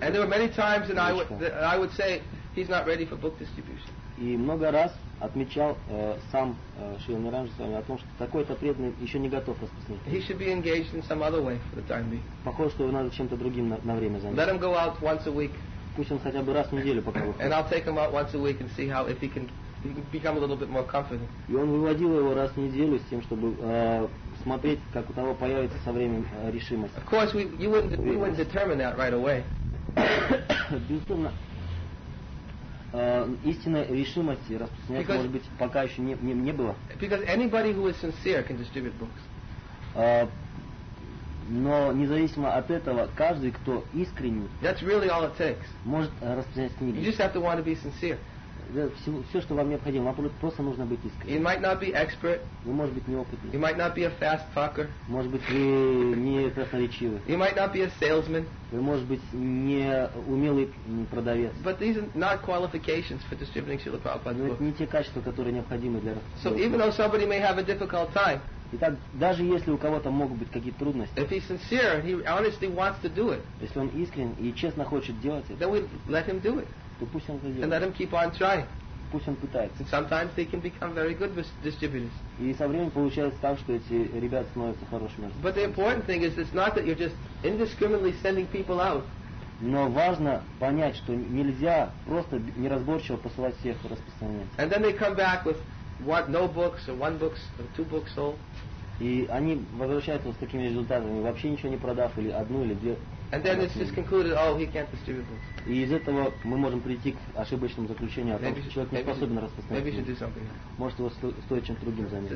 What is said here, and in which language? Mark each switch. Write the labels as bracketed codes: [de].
[en] And there were many times that I would say he's not ready for book distribution. [ru] И много раз отмечал сам Шрила Ниранджи с вами о том, что такой-то преданный еще не готов распространять. [en] He should be engaged in some other way for the time being. [ru] Похоже, что его надо чем-то другим на время заняться. [en] Let him go out once a week. [ru] Пусть он хотя бы раз в неделю пока выходит. [en] And I'll take him out once a week and see how if he can become a little bit more confident. [ru] И он выводил его раз в неделю с тем, чтобы смотреть, как у того появится со временем решимость. [en] Of course, we wouldn't determine that right away. [ru] Безусловно. Истинной решимости распространять, because, может быть, пока еще не было. [en] Because anybody who is sincere can distribute books. [ru] Но независимо от этого, каждый, кто искренний, [en] that's really all it takes. [ru] Может распространять книги. [en] You just have to want to be sincere. [ru] все, что вам необходимо, вам просто нужно быть искренним. [en] You might not be expert. [ru] Вы, может быть, неопытный. [en] You might not be a fast talker. [ru] Может быть, вы не красноречивый. [en] You might not be a salesman. [ru] Вы, может быть, не умелый продавец. [en] But these are not qualifications for distributing Srila Prabhupada's book. [ru] Но это не те качества, которые необходимы для распространения. [en] So even though somebody may have a difficult time. [ru] Итак, даже если у кого-то могут быть какие-то трудности, [en] if he's sincere, he honestly wants to do it, [ru] если он искренен и честно хочет делать это, [en] then we let him do it, [ru] то пусть он это делает. [en] And let him keep on trying. [ru] Пусть он пытается. [en] And sometimes they can become very good distributors. [ru] И со временем получается так, что эти ребята становятся хорошими. [en] But the important thing is, it's not that you're just indiscriminately sending people out. [ru] Но важно понять, что нельзя просто неразборчиво посылать всех распространять. [en] And then they come back with what, no books, or one books, or two books sold. [ru] И они возвращаются с такими результатами, вообще ничего не продав, или одну, или две. [en] And then it's just concluded, oh, he can't distribute books. [ru] И из этого мы можем прийти к ошибочному заключению о том, что человек не способен распространять. [en] Maybe he should do something else. [ru] Может, его стоит чем-то другим заняться.